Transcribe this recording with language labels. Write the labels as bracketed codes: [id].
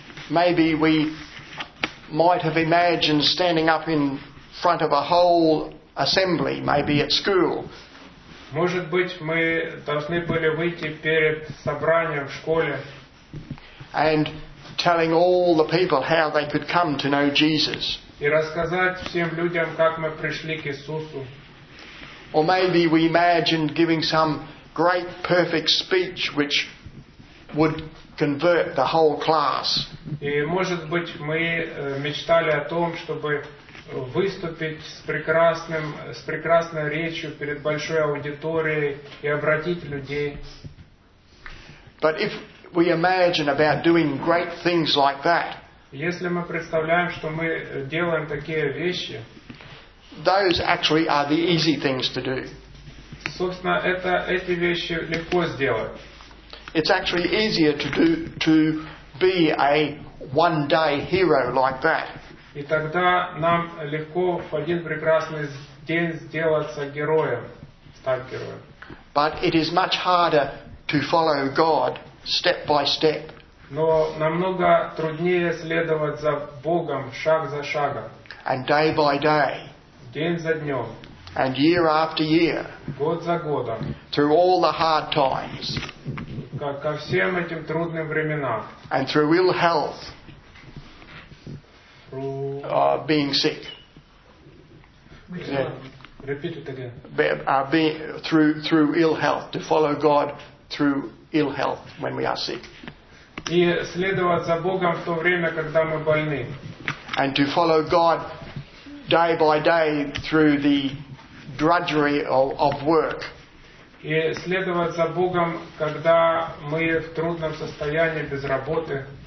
[en] Maybe we might have imagined standing up in front of a whole assembly, maybe at school. [ru] Может быть, мы должны были выйти перед собранием в школе. [en] And telling all the people how they could come to know Jesus. [ru] И рассказать всем людям, как мы пришли к Иисусу. [en] Or maybe we imagined giving some great perfect speech which would convert the whole class. [ru] И может быть, мы мечтали о том, чтобы выступить с прекрасной речью перед большой аудиторией и обратить людей. [en] But if we imagine about doing great things like that, [ru] если мы представляем, что мы делаем такие вещи, [en] those actually are the easy things to do. [ru] Собственно, эти вещи легко сделать. [en] It's actually easier to be a one day hero like that. [ru] И тогда нам легко в один прекрасный день сделаться героем, стать героем. [en] But it is much harder to follow God step by step. [ru] Но намного труднее следовать за Богом шаг за шагом. [en] And day by day. [ru] День за днем. [en] And year after year. [ru] Год за годом. [en] Through all the hard times. [ru] Ко всем этим трудным временам. [en] And through ill health. Being sick. Repeat it again. Through ill health, to follow God through ill health when we are sick. [ru] И следовать за Богом в то время, когда мы больны. [en] And to follow God day by day through the drudgery of work. [ru] И следовать за Богом, когда мы в трудном состоянии без работы.